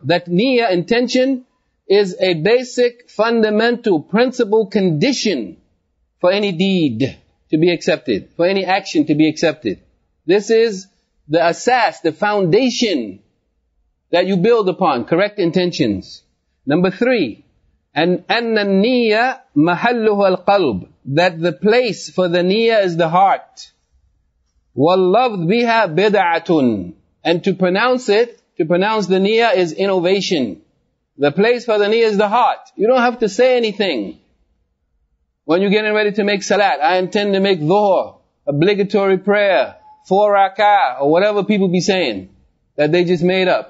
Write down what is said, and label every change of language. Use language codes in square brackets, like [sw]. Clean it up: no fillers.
[en] That niyya, intention, is a basic, fundamental, principal condition for any deed to be accepted. For any action to be accepted. This is the asas, the foundation that you build upon, correct intentions. Number three, [ar] أَنَّ النِّيَّ مَحَلُّهُ الْقَلْبُ. [en] That the place for the niyyah is the heart. [ar] وَاللَّفْظُ بِهَا بِدَعَةٌ. [en] And to pronounce it, to pronounce the niyyah is innovation. The place for the niyyah is the heart. You don't have to say anything. When you're getting ready to make salat, I intend to make dhuhr, obligatory prayer, four rak'ah, or whatever people be saying. That they just made up.